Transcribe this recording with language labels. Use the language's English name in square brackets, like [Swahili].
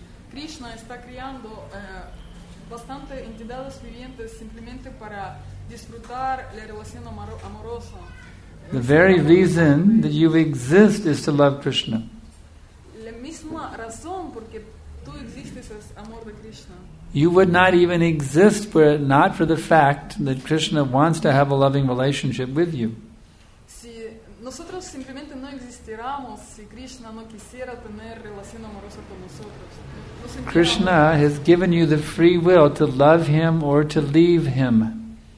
[Spanish] Krishna está creando bastante entidades vivientes simplemente para disfrutar la relación amorosa. [English] The very reason that you exist is to love Krishna. [Spanish] La misma razón porque tú existes es amor de Krishna. [English] You would not even exist were it not for the fact that Krishna wants to have a loving relationship with you. [Spanish] Si nosotros simplemente no existiéramos si Krishna no quisiera tener relación amorosa con nosotros. [English] Krishna has given you the free will to love him or to leave him.